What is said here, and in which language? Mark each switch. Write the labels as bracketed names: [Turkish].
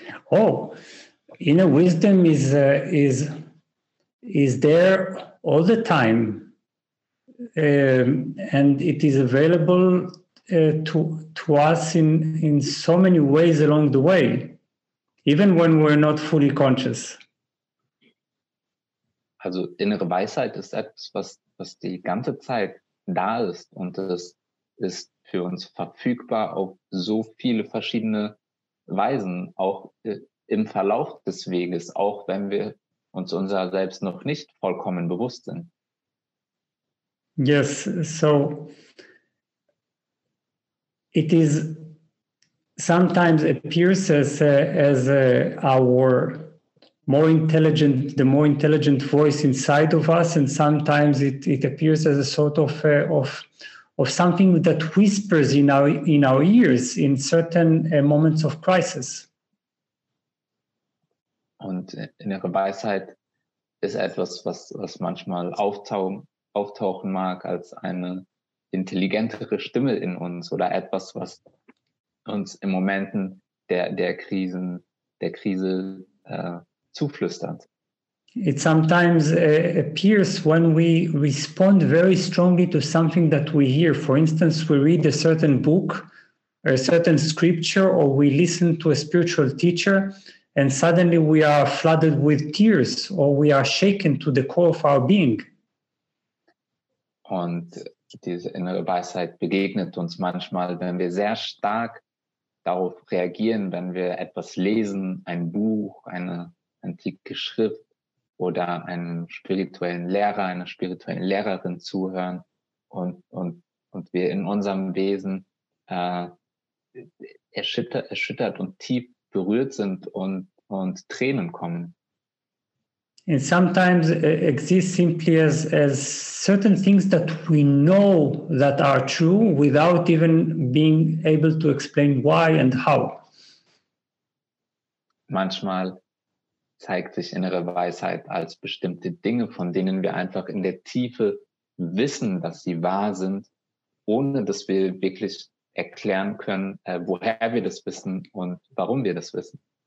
[English] Oh, inner wisdom is there all the time, and it is available to us in so many ways along the way, even when we're not fully conscious. [German] Also innere Weisheit ist etwas, was die ganze Zeit da ist und es ist für uns verfügbar auf so viele verschiedene Weisen, auch im Verlauf des Weges, auch wenn wir uns unserer selbst noch nicht vollkommen bewusst sind. [English] Yes, so it is sometimes appears as our more intelligent, the more intelligent voice inside of us, and sometimes it appears as a sort of something that whispers in our ears in certain moments of crisis. [German] Und innere Weisheit ist etwas, was manchmal auftauchen mag als eine intelligentere Stimme in uns oder etwas, was uns in Momenten der Krise zuflüstert. [English] It sometimes appears when we respond very strongly to something that we hear. For instance, we read a certain book, a certain scripture, or we listen to a spiritual teacher, and suddenly we are flooded with tears, or we are shaken to the core of our being. [German] Und diese innere Weisheit begegnet uns manchmal, wenn wir sehr stark darauf reagieren, wenn wir etwas lesen, ein Buch, eine antike Schrift oder einem spirituellen Lehrer, einer spirituellen Lehrerin zuhören und wir in unserem Wesen erschüttert und tief berührt sind und Tränen kommen. [English] And sometimes exist simply as certain things that we know that are true without even being able to explain why and how. [German] Manchmal zeigt sich innere Weisheit als bestimmte Dinge, von denen wir einfach in der Tiefe wissen, dass sie wahr sind, ohne dass wir wirklich erklären können, woher wir das wissen und warum wir das wissen.